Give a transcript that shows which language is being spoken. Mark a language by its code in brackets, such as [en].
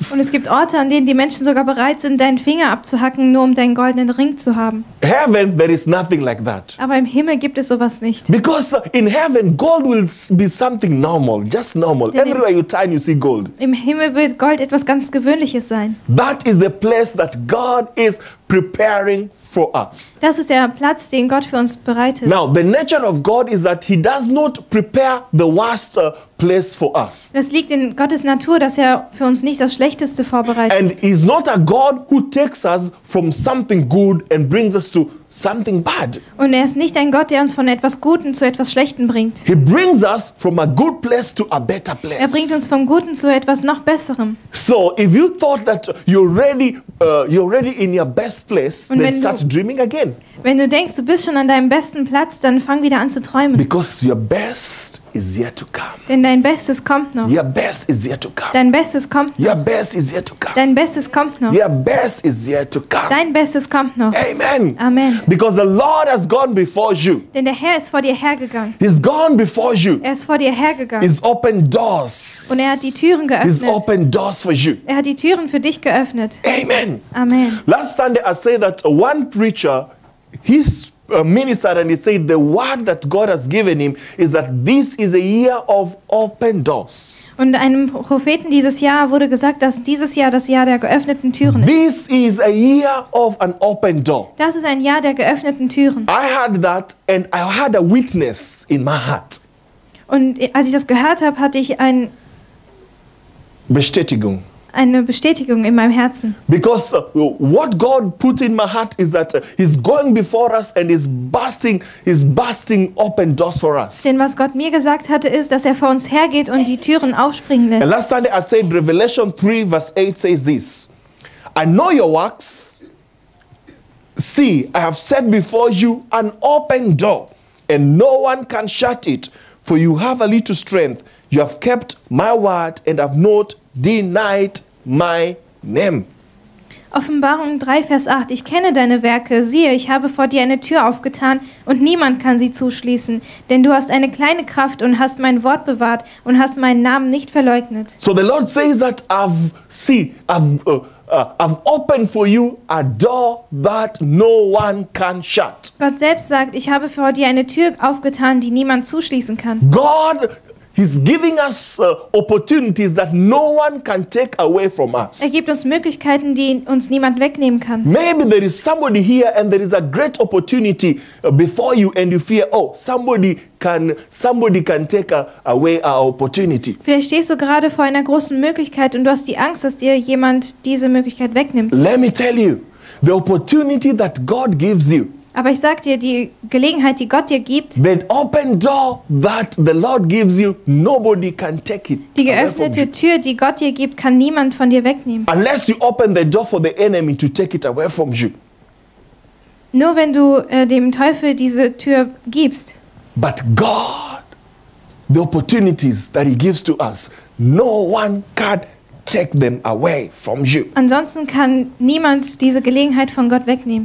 [de] Und es gibt Orte, an denen die Menschen sogar bereit sind, deinen Finger abzuhacken, nur um deinen goldenen Ring zu haben. [en] Heaven, there is nothing like that. [de] Aber im Himmel gibt es sowas nicht. [en] Because in heaven gold will be something normal, just normal. [de] Denn [en] everywhere you turn, you see gold. [de] Im Himmel wird Gold etwas ganz Gewöhnliches sein. [en] That is the place that God is preparing for us. [de] Das ist der Platz, den Gott für uns bereitet. [en] Now, the nature of God is that he does not prepare the worst place for us. [de] Es liegt in Gottes Natur, dass er für uns nicht das Schlechteste vorbereitet. [en] And he's not a God who takes us from something good and brings us to something bad. [de] Und er ist nicht ein Gott, der uns von etwas Guten zu etwas Schlechten bringt. [en] He brings us from a good place to a better place. [de] Er bringt uns vom Guten zu etwas noch Besserem. [en] So, if you thought that you're already in your best place, [de] und [en] then start dreaming again. [de] Wenn du denkst, du bist schon an deinem besten Platz, dann fang wieder an zu träumen. [en] Because your best is yet to come. [de] Denn dein Bestes kommt noch. [en] Your best is yet to come. [de] Dein Bestes kommt noch. [en] Your best is yet to come. [de] Dein Bestes kommt noch. [en] Your best is yet to come. [de] Dein Bestes kommt noch. [en] Amen. [de] Amen. [en] Because the Lord has gone before you. [de] Denn der Herr ist vor dir hergegangen. [en] He's gone before you. [de] Er ist vor dir hergegangen. [en] He's opened doors. [de] Und er hat die Türen geöffnet. [en] He's opened doors for you. [de] Er hat die Türen für dich geöffnet. [en] Amen. [de] Amen. [en] Last Sunday I say that one preacher, he ministered and he said the word that God has given him is that this is a year of open doors. [de] Und einem Propheten dieses Jahr wurde gesagt, dass dieses Jahr das Jahr der geöffneten Türen ist. [en] This is a year of an open door. [de] Das ist ein Jahr der geöffneten Türen. [en] I heard that and I had a witness in my heart. [de] Und als ich das gehört habe, hatte ich eine Bestätigung in meinem Herzen. [en] Because what God put in my heart is that he's going before us and he's busting open doors for us. [de] Denn was Gott mir gesagt hatte, ist, dass er vor uns hergeht und die Türen aufspringen lässt. [en] And last Sunday I said Revelation 3 verse 8 says this. I know your works. See, I have set before you an open door, and no one can shut it, for you have a little strength. You have kept my word and have not denied my name. [de] Offenbarung 3, Vers 8. Ich kenne deine Werke. Siehe, ich habe vor dir eine Tür aufgetan und niemand kann sie zuschließen. Denn du hast eine kleine Kraft und hast mein Wort bewahrt und hast meinen Namen nicht verleugnet. [en] So the Lord says that I've opened for you a door that no one can shut. [de] Gott selbst sagt, ich habe vor dir eine Tür aufgetan, die niemand zuschließen kann. [en] God, He's giving us opportunities that no one can take away from us. [de] Er gibt uns Möglichkeiten, die uns niemand wegnehmen kann. [en] Maybe there is somebody here and there is a great opportunity before you and you fear, oh, somebody can take away our opportunity. [de] Vielleicht stehst du gerade vor einer großen Möglichkeit und du hast die Angst, dass dir jemand diese Möglichkeit wegnimmt. [en] Let me tell you, the opportunity that God gives you. [de] Aber ich sag dir, die Gelegenheit, die Gott dir gibt, [en] the open door that the Lord gives you, nobody can take it. [de] Die geöffnete Tür, die Gott dir gibt, kann niemand von dir wegnehmen. [en] Unless you open the door for the enemy to take it away from you. [de] Nur wenn du dem Teufel diese Tür gibst. [en] But God, the opportunities that he gives to us, no one can take them away from you. [de] Ansonsten kann niemand diese Gelegenheit von Gott wegnehmen.